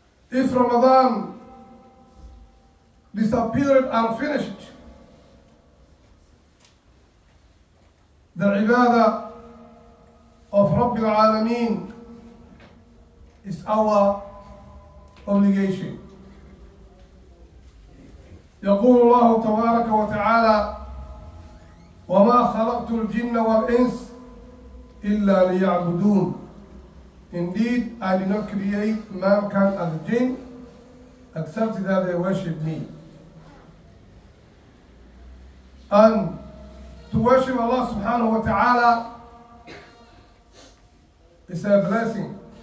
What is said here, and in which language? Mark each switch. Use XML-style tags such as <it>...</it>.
<en>If Ramadan disappeared and finished, the ibadah of Rabbil Alameen is our obligation.</en> <ar>يقول الله تبارك وتعالى وما خلقت الجن والإنس إلا ليعبدون.</ar> <en>Indeed, I did not create mankind as jinn except that they worship me. And to worship Allah subhanahu wa ta'ala is a blessing.</en>